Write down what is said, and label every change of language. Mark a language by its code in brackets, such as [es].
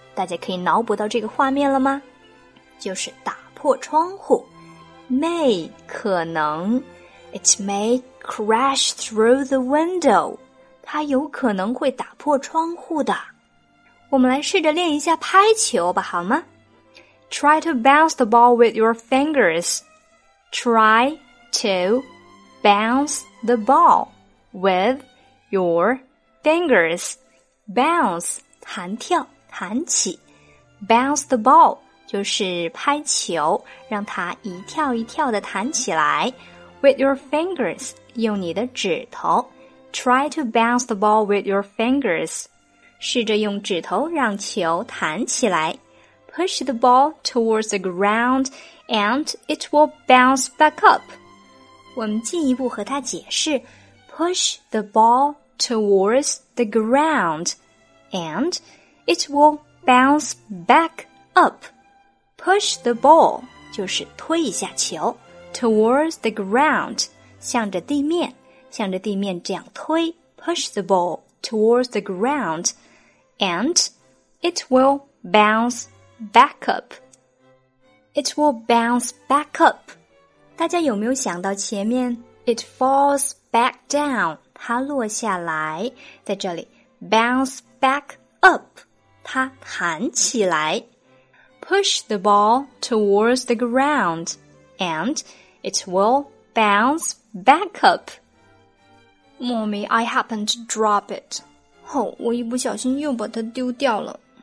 [zh] 大家可以脑补到这个画面了吗? 就是打破窗户。May, 可能。 [en] It may crash through the window. [zh] 它有可能会打破窗户的。我们来试着练一下拍球吧,好吗? [en] Try to bounce the ball with your fingers. Try to bounce the ball with your fingers. Bounce, [zh] 弹跳、弹起。 [en] Bounce the ball, [zh] 就是拍球，让它一跳一跳地弹起来。 [en] With your fingers, [zh] 用你的指头。 [en] Try to bounce the ball with your fingers. [zh] 试着用指头让球弹起来。 [en] Push the ball towards the ground and it will bounce back up. [zh] 我们进一步和它解释。 [en] Push the ball towards the ground and it will bounce back up. Push the ball [zh] 就是推一下球。 [en] Towards the ground, [zh] 向着地面。向着地面这样推 [en] ,push the ball towards the ground, and it will bounce back up. It will bounce back up. [zh] 大家有没有想到前面 [en] ,it falls back down, [zh] 它落下来。在这里 , [en] bounce back up, [zh] 它弹起来。 [en] Push the ball towards the ground, and it will bounce back up. Mommy, I happened to drop it. [zh] 我一不小心又把它丢掉了。